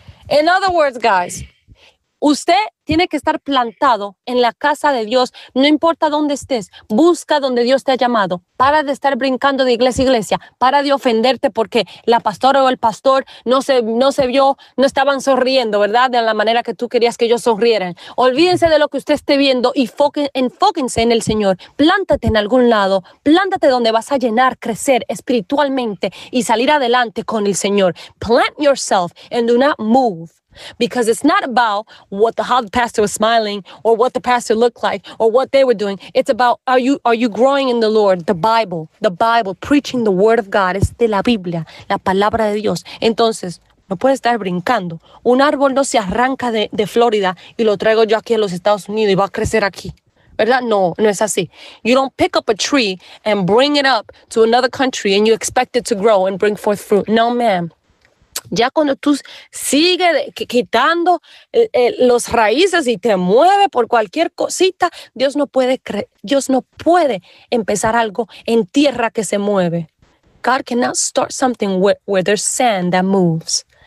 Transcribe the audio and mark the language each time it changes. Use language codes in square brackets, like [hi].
[en] In other words, guys, [es] usted tiene que estar plantado en la casa de Dios, no importa dónde estés, busca donde Dios te ha llamado, para de estar brincando de iglesia a iglesia, para de ofenderte porque la pastora o el pastor no estaban sonriendo, ¿verdad? De la manera que tú querías que ellos sonrieran. Olvídense de lo que usted esté viendo y enfóquense en el Señor. Plántate en algún lado, plántate donde vas a llenar, crecer espiritualmente y salir adelante con el Señor. [en] Plant yourself and do not move. Because it's not about how the pastor was smiling or what the pastor looked like or what they were doing. It's about are you growing in the Lord, the Bible, preaching the word of God. [es] Es de la Biblia, la palabra de Dios. Entonces, no puedes estar brincando. Un árbol no se arranca de Florida y lo traigo yo aquí a los Estados Unidos y va a crecer aquí. ¿Verdad? No, no es así. [en] You don't pick up a tree and bring it up to another country and you expect it to grow and bring forth fruit. No, ma'am. [es] Ya cuando tú sigues quitando los raíces y te mueves por cualquier cosita, Dios no puede empezar algo en tierra que se mueve. [en] God cannot start something where there's sand that moves.